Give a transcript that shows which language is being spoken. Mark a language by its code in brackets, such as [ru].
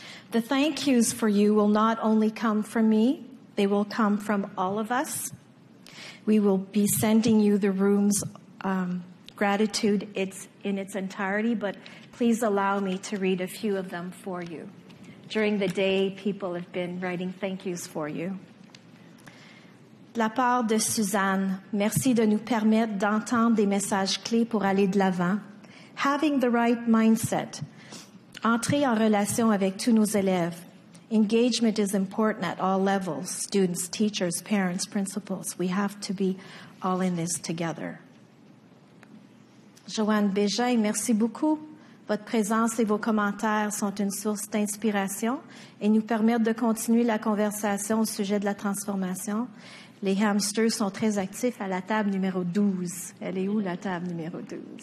[en] The thank yous for you will not only come from me, they will come from all of us. We will be sending you the room's gratitude in its entirety, but please allow me to read a few of them for you. During the day, people have been writing thank yous for you. [fr] De la part de Suzanne, merci de nous permettre d'entendre des messages clés pour aller de l'avant. [en] Having the right mindset. [fr] Entrer en relation avec tous nos élèves. [en] Engagement is important at all levels. Students, teachers, parents, principals. We have to be all in this together. [fr] Joanne Bégin, merci beaucoup. Votre présence et vos commentaires sont une source d'inspiration et nous permettent de continuer la conversation au sujet de la transformation. Les hamsters sont très actifs à la table numéro 12. Elle est où, la table numéro 12?